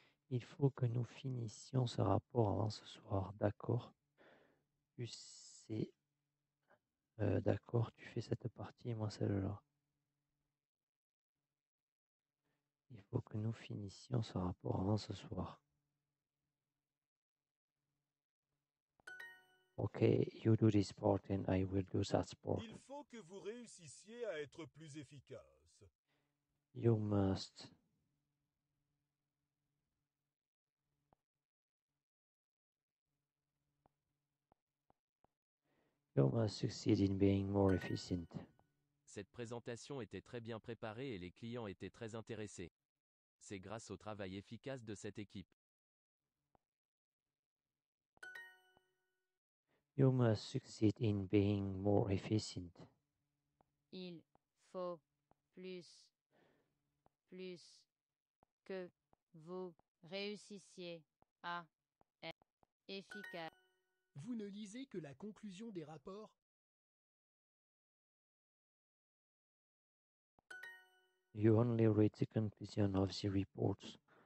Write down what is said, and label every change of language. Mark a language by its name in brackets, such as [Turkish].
[French] Il faut que nous finissions ce rapport avant ce soir. D'accord. D'accord, tu fais cette partie et moi celle-là. Il faut que nous finissions ce rapport avant ce soir. [English] Ok, you do this part and I will do that part. [French] Il faut que vous réussissiez à être plus efficace. [English] You must. Succeed in being more efficient. [French] Cette présentation était très bien préparée et les clients étaient très intéressés. C'est grâce au travail efficace de cette équipe. [English] You must succeed in being more efficient. [French] Il faut plus que vous réussissiez à être efficace. Vous ne lisez que la conclusion des rapports. [English] You only read the conclusion of the reports.